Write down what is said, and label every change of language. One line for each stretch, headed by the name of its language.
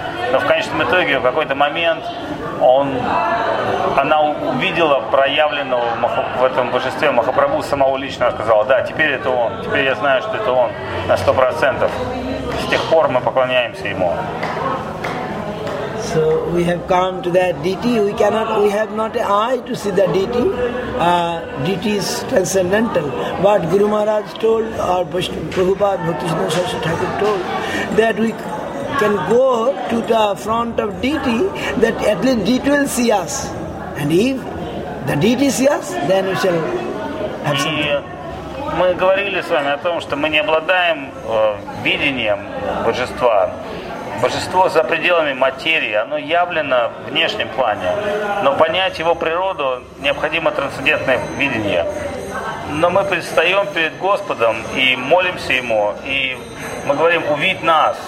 Russian: Но в конечном итоге в какой-то момент она увидела проявленного в этом божестве Махапрабху самого лично, сказала, да, теперь это он, теперь я знаю, что это он на 100%. с тех пор мы поклоняемся ему.
English: So we have come to that deity. We have not an eye to see that deity. Deity is transcendental. But Guru Maharaj told, or Prabhupada Bhaktisiddhanta Saraswati Thakur told, that we can go to the front of deity, that at least deity will see us. And if the deity sees us, then we shall have something.
Russian: Мы говорили с вами о том, что мы не обладаем видением Божества. Божество за пределами материи, оно явлено в внешнем плане. Но понять его природу необходимо трансцендентное видение. Но мы предстаем перед Господом и молимся Ему, и мы говорим «увидь нас».